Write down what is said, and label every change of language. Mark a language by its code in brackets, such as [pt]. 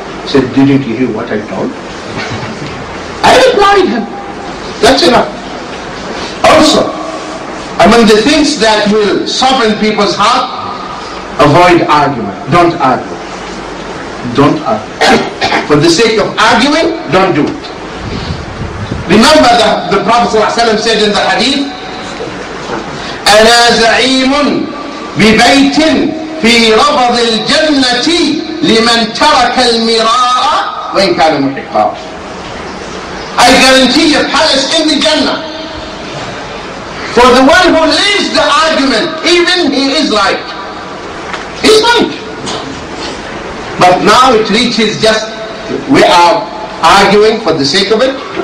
[en] He said, "Didn't you hear what I told?" I replied him, "That's enough." Also, among the things that will soften people's heart, avoid argument. Don't argue. Don't argue. For the sake of arguing, don't do it. Remember that the Prophet ﷺ said in the hadith, [ar] أَنَا زَعِيمٌ بِبَيْتٍ فِي رَبَضِ الْجَنَّةِ لِمَنْ تَرَكَ الْمِرَاءَ وَإِنْ كَانَ مُحِقًا. [en] I guarantee a palace in the Jannah. For the one who leaves the argument, even he is like. He's like. But now it reaches just, we are arguing for the sake of it.